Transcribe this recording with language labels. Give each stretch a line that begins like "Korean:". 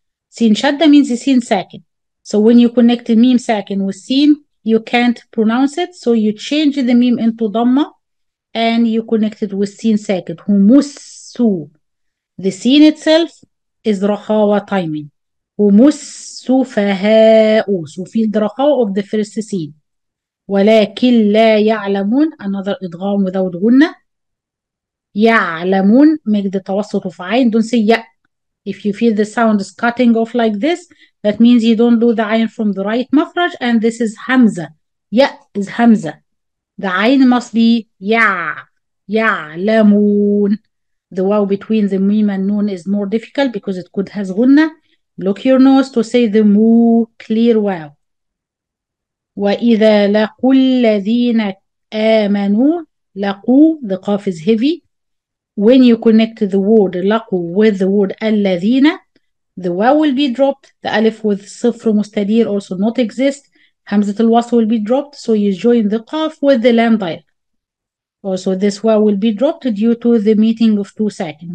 English: سين شدة means the سين ساكن. So when you connect the ميم ساكن with سين, you can't pronounce it. So you change the ميم into ضمة. And you connect it with سين ساكن.
Arabic: همسوا.
English: The scene itself is رخاوة timing.
Arabic: همسوا فهاءوا.
English: So feel the رخاوة of the first scene.
Arabic: ولكن لا يعلمون.
English: Another إدغام without غنة.
Arabic: يعلمون.
English: Make the توسط of عين. Don't say ya. If you feel the sound is cutting off like this, that means you don't do the عين from the right مخرج. And this is همزة. Ya is همزة. The عين must be يعلمون. The واو between the ميم and نون is more difficult because it could has غنة. Block your nose to say the مو clear واو.
Arabic: وإذا لقوا الذين آمنوا لقوا
English: the قاف is heavy. When you connect the word لقوا with the word الذين, the واو will be dropped. The ألف with صفر مستدير also not exist. همزة الوصل will be dropped. So you join the قاف with the لام ضايع. Also this واو will be dropped due to the meeting of two ساكن.